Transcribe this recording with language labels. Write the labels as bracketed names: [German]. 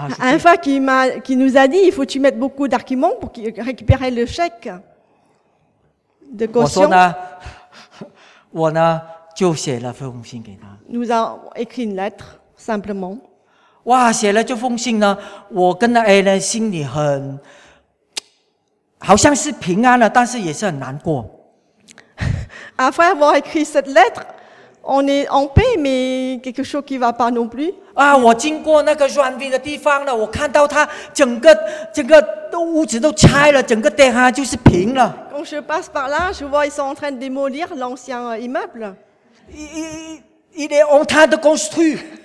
[French] Un frère qui nous a dit, il faut tu mettre beaucoup d'arguments pour récupérer le chèque de caution. [Chinese] 我说呢，我呢就写了封信给他。 [French] Nous avons écrit une lettre simplement. [Chinese] 哇，写了这封信呢，我跟那 Alan 心里很。好像是平安了，但是也是很难过。 [French] Après avoir écrit cette lettre, on est en paix, mais quelque chose qui va pas non plus. [Chinese] 啊，我经过那个软壁的地方了，我看到它整个屋子都拆了，整个店啊就是平了。 [French] quand je passe par là, je vois ils sont en train de démolir l'ancien immeuble. Il est en train de construire.